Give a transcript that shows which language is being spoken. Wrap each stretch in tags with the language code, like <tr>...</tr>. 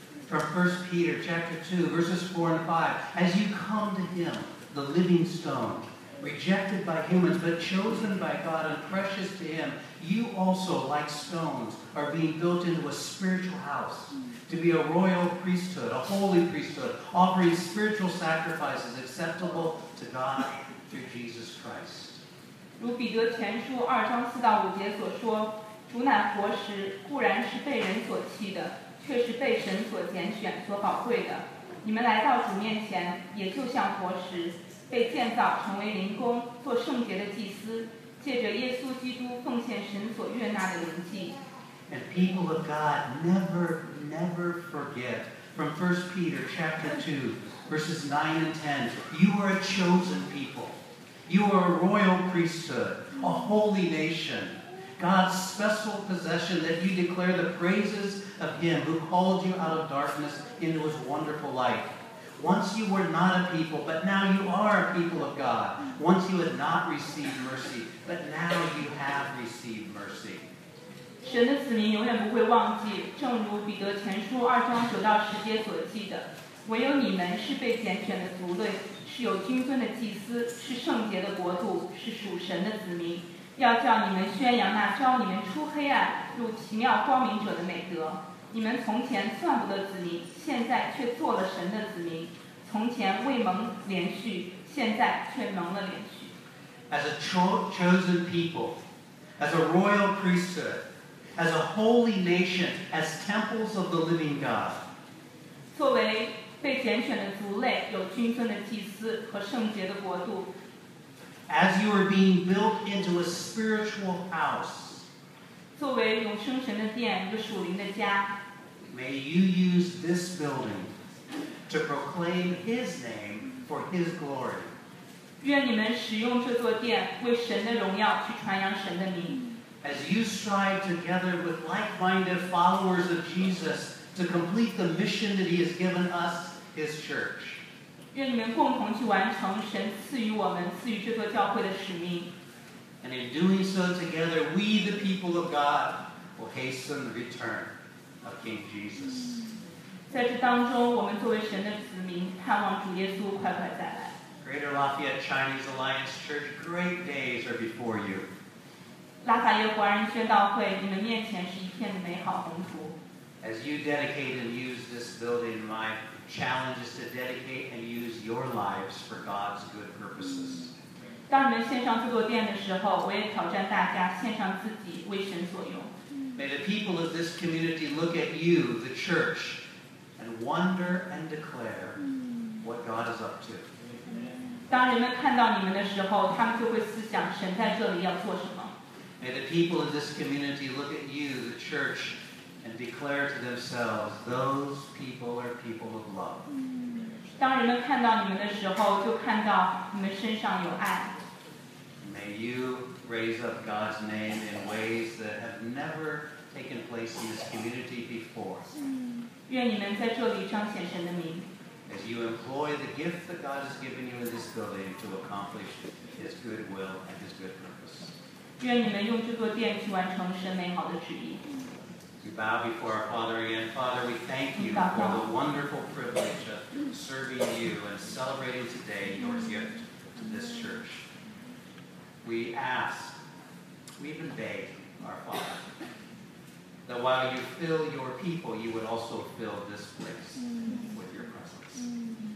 <en>From 1 Peter chapter 2, verses 4 and 5, as you come to him, the living stone, rejected by humans, but chosen by God and precious to him, you also, like stones, are being built into a spiritual house, to be a royal priesthood, a holy priesthood, offering spiritual sacrifices acceptable to God through Jesus Christ.</en> <zh>如彼得前书二章四到五节所说，主乃活石，固然是被人所弃的，却是被神所拣选、所宝贵的。你们来到主面前，也就像活石，被建造成为灵宫，做圣洁的祭司，借着耶稣基督奉献神所悦纳的灵祭。</zh> <en>And people of God never, never forget from 1 Peter chapter 2, verses 9 and 10. You are a chosen people. You are a royal priesthood, a holy nation, God's special possession that you declare the praises of him who called you out of darkness into his wonderful light. Once you were not a people, but now you are a people of God. Once you had not received mercy, but now you have received mercy.</en> <zh>神的子民永远不会忘记，正如彼得前书二章九到十节所记的，唯有你们是被拣选的族类，是有君尊的祭司，是圣洁的国度，是属神的子民，要叫你们宣扬那招你们出黑暗入奇妙光明者的美德。你们从前算不得子民，现在却做了神的子民，从前未蒙连续，现在却蒙了连续。</zh> <en>As a chosen people, as a royal priesthood, as a holy nation, as temples of the living God,</en> <zh>作为被拣选的族类，有君尊的祭司和圣洁的国度。</zh> <en>As you are being built into a spiritual house,</en> <zh>作为永生神的殿，一个属灵的家。</zh> <en>May you use this building to proclaim His name for His glory.</en> <zh>愿你们使用这座殿，为神的荣耀去传扬神的名。</zh> <en>As you strive together with like-minded followers of Jesus to complete the mission that He has given us, His church.</en> <zh>愿你们共同去完成神赐予我们、赐予这座教会的使命。</zh> <en>And in doing so together, we the people of God will hasten the return of King Jesus.</en> <zh>在这当中，我们作为神的子民，盼望主耶稣快快再来。</zh> <en>Greater Lafayette Chinese Alliance Church, great days are before you.</en> <zh>拉法叶华人宣道会，你们面前是一片美好宏图。</zh> <en>As you dedicate and use this building, my challenge is to dedicate and use your lives for God's good purposes.</en> <zh>当你们献上这座殿的时候，我也挑战大家献上自己为神所用。</zh> <en>May the people of this community look at you, the church, and wonder and declare what God is up to.</en> <zh>当人们看到你们的时候，他们就会思想神在这里要做什么。</zh> <en>May the people of this community look at you, the church. And declare to themselves, those people are people of love.</en> <zh>当人们看到你们的时候，就看到你们身上有爱。</zh> <en>May you raise up God's name in ways that have never taken place in this community before.</en> <zh>愿你们在这里彰显神的名。</zh> <en>As you employ the gift that God has given you in this building to accomplish His good will and His good purpose.</en> <zh>愿你们用这座殿去完成神美好的旨意。</zh> <en>We bow before our Father again. Father, we thank you for the wonderful privilege of serving you and celebrating today your gift to this church. We ask, we even beg, our Father, that while you fill your people, you would also fill this place with your presence.</en>